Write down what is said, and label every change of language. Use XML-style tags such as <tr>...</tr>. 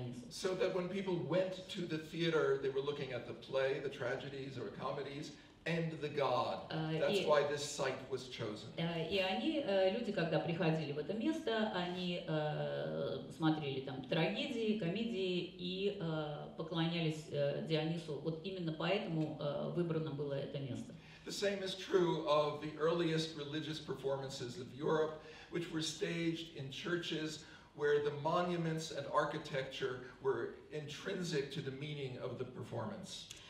<en>So that when people went to the theater, they were looking at the play, the tragedies or comedies, and the God. That's why this site was chosen.</en> <ru>И они, люди, когда приходили в это место, они смотрели там трагедии, комедии и поклонялись Дионису. Вот именно поэтому выбрано было это место.</ru> <en>The same is true of the earliest religious performances of Europe, which were staged in churches where the monuments and architecture were intrinsic to the meaning of the performance.</en>